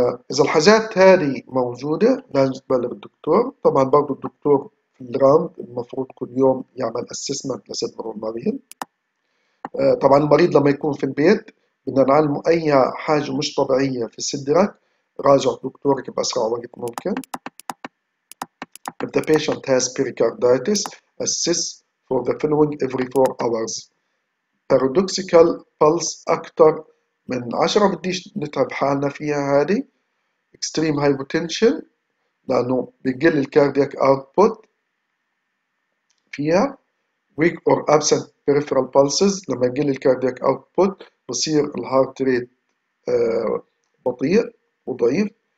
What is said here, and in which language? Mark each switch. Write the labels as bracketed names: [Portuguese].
[Arabic] اذا الحاجات هذه موجوده لازم تبلغ الدكتور. طبعا برضو الدكتور في الراوند المفروض كل يوم يعمل اسسمنت لصدر المريض. طبعا المريض لما يكون في البيت بدنا نعلمه اي حاجه مش طبيعيه في صدرك راجع دكتورك بأسرع وقت ممكن. [English] If the patient has pericarditis, assess for the following every 4 hours. [Arabic] Paradoxical pulse أكثر من 10 بديش نتعب حالنا فيها هذه. Extreme hypotension لأنه بيقل الكاردياك output فيها. [English] Weak or absent peripheral pulses [Arabic] لما يقل الكاردياك output بصير الهارت ريت بطيء وضعيف.